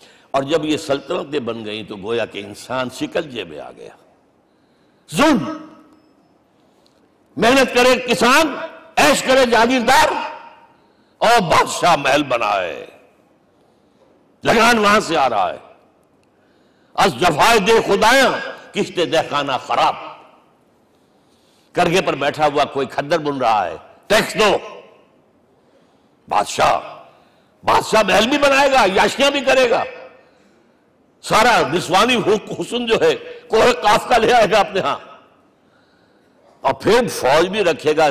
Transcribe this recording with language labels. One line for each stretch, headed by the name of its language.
Urdu: اور جب یہ سلطنتیں بن گئیں تو گویا کہ انسان شکنجے میں آ گیا. ظلم، محنت کرے کسان، عیش کرے جاگیردار، اور بادشاہ محل بنائے، لگان وہاں سے آ رہا ہے.
Persian: از جفائے دے خدایاں کشتے دہخانہ خراب.
Urdu: کرگے پر بیٹھا ہوا کوئی کھدر بن رہا ہے، ٹیکس دو بادشاہ. بادشاہ محل بھی بنائے گا، یاشیاں بھی کرے گا، سارا نسوانی حسن جو ہے کوہ قاف کا لے آئے گا اپنے ہاں، اور پھر فوج بھی رکھے گا.